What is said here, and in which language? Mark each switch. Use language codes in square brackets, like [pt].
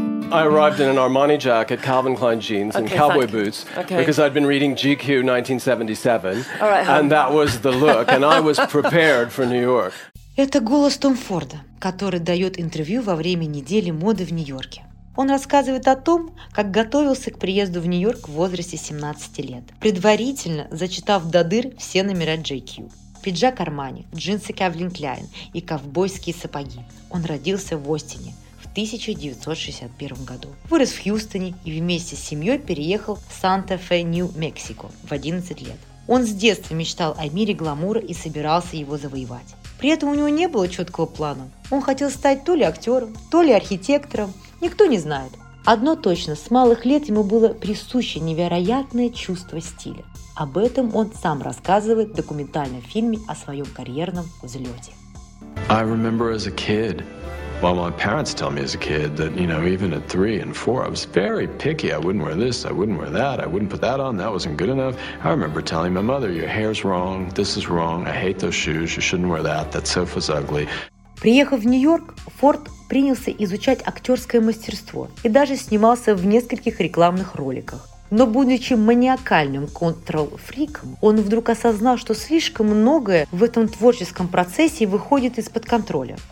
[en] I arrived in an Armani jacket, Calvin Klein jeans, and cowboy boots because I'd been reading GQ 1977, and that was the look, and I was prepared for New York. [ru] Это голос Том Форда, который дает интервью во время недели моды в Нью-Йорке. Он рассказывает о том, как готовился к приезду в Нью-Йорк в возрасте 17 лет, предварительно зачитав до дыр все номера GQ. Пиджак Армани, джинсы Calvin Klein и ковбойские сапоги. Он родился в Остине в 1961 году. Вырос в Хьюстоне и вместе с семьей переехал в Санта-Фе, Нью-Мексико в 11 лет. Он с детства мечтал о мире гламура и собирался его завоевать. При этом у него не было четкого плана. Он хотел стать то ли актером, то ли архитектором. Никто не знает. Одно точно, с малых лет ему было присуще невероятное чувство стиля. Об этом он сам рассказывает в документальном фильме о своем карьерном взлете. [en] I remember as a kid, well, my parents tell me as a kid that, you know, even at 3 and 4, I was very picky. I wouldn't wear this, I wouldn't wear that, I wouldn't put that on, that wasn't good enough. I remember telling my mother, your hair's wrong, this is wrong, I hate those shoes, you shouldn't wear that, that sofa's ugly. [ru] Приехав в Нью-Йорк, Форд принялся изучать актерское мастерство и даже снимался в нескольких рекламных роликах. Но будучи маниакальным контрол-фриком, он вдруг осознал, что слишком многое в этом творческом процессе выходит из-под контроля.